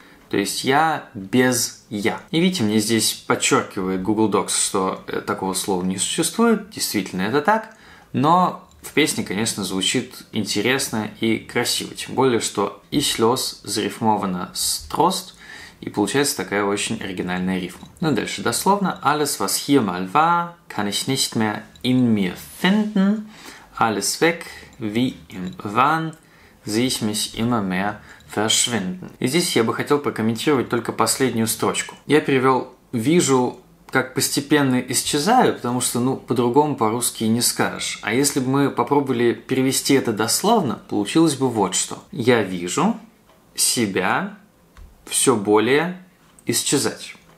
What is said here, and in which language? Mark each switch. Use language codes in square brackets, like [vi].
[ru] То есть «я без я». И видите, мне здесь подчеркивает Google Docs, что такого слова не существует. Действительно, это так. Но в песне, конечно, звучит интересно и красиво. Тем более, что «ich los» зарифмовано с «trost». И получается такая очень оригинальная рифма. Ну и дальше дословно. [de] «Alles, was hier mal war, kann ich nicht mehr in mir finden. Alles weg, wie im Wahn, sehe ich mich immer mehr verschwinden». [ru] И здесь я бы хотел прокомментировать только последнюю строчку. Я перевел «вижу, как постепенно исчезаю», потому что, ну, по-другому по-русски не скажешь. А если бы мы попробовали перевести это дословно, получилось бы вот что. «Я вижу себя все более исчезать».